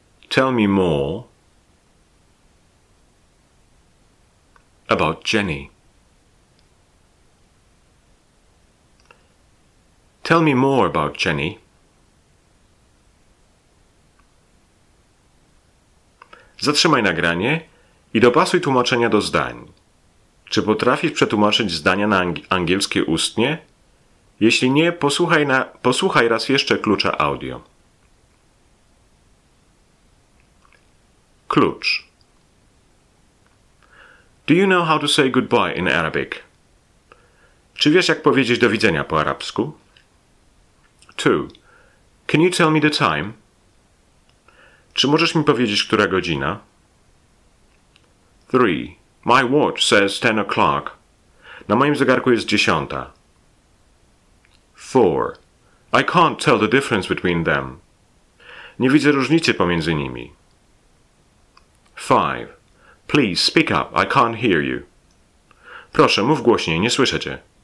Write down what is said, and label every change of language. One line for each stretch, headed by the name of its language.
English: Tell me more about Jenny. Tell me more about Jenny.
Polish: Zatrzymaj nagranie i dopasuj tłumaczenia do zdań. Czy potrafisz przetłumaczyć zdania na angielskie ustnie? Jeśli nie, posłuchaj raz jeszcze klucza audio. Klucz.
English: Do you know how to say goodbye in Arabic?
Polish: Czy wiesz, jak powiedzieć do widzenia po arabsku? 2.
English: Can you tell me the time?
Polish: Czy możesz mi powiedzieć, która godzina? 3.
English: My watch says 10 o'clock.
Polish: Na moim zegarku jest 10. 4.
English: I can't tell the difference between them.
Polish: Nie widzę różnicy pomiędzy nimi. 5.
English: Please speak up, I can't hear you.
Polish: Proszę, mów głośniej, nie słyszę cię.